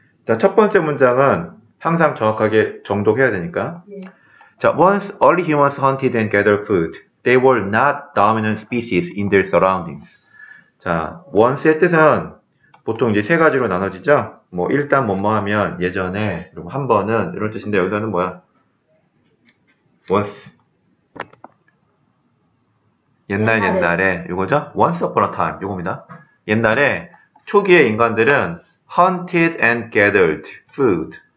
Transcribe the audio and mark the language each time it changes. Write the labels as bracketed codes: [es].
[ko] 자, 첫 번째 문장은 항상 정확하게 정독해야 되니까. 자, [en] Once early humans hunted and gathered food, they were not dominant species in their surroundings. [ko] 자, once의 뜻은 보통 이제 세 가지로 나눠지죠? 뭐, 일단, 뭐뭐하면, 예전에, 그리고 한 번은, 이런 뜻인데, 여기서는 뭐야? [en] Once. [ko] 옛날 옛날에, 이거죠? [en] Once upon a time, [ko] 이겁니다. 옛날에, 초기에 인간들은 [en] hunted and gathered food.